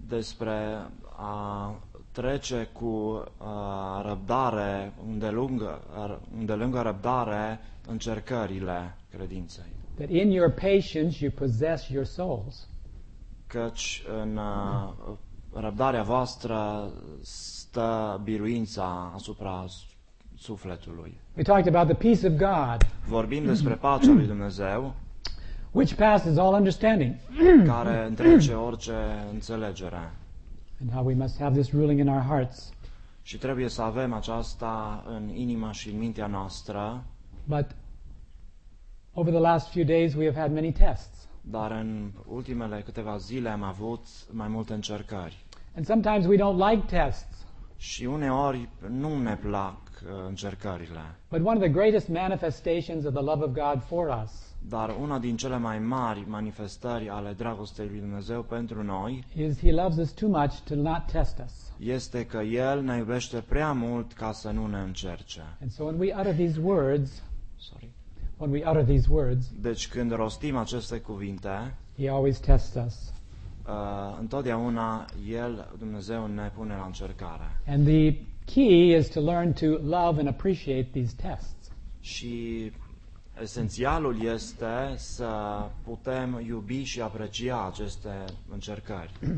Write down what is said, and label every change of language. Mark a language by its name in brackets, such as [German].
[Romanian] Despre a trece cu răbdare, îndelungă răbdare încercările credinței. [English] That in your patience you possess your souls. [Romanian] Căci în răbdarea voastră stă biruința asupra sufletului. [English] We talked about the peace of God. [Romanian] Vorbim despre pacea lui Dumnezeu. [English] Which passes all understanding. [Romanian] Care întrece orice înțelegere. [English] And how we must have this ruling in our hearts. [Romanian] Și trebuie să avem aceasta în inima și în mintea noastră. [English] But over the last few days we have had many tests. [Romanian] Dar în ultimele câteva zile am avut mai multe încercări. [English] And sometimes we don't like tests. [Romanian] Și uneori nu ne plac încercările. [English] But one of the greatest manifestations of the love of God for us. [Romanian] Dar una din cele mai mari manifestări ale dragostei lui Dumnezeu pentru noi [English] is he loves us too much to not test us. [Romanian] Este că El ne iubește prea mult ca să nu ne încerce. [English] And so when we utter these words, when we utter these words, [Romanian] deci când rostim aceste cuvinte, [English] he always tests us. [Romanian] Întotdeauna El, Dumnezeu, ne pune la încercare. [English] And the key is to learn to love and appreciate these tests. [Romanian] Și esențialul este să putem iubi și aprecia aceste încercări.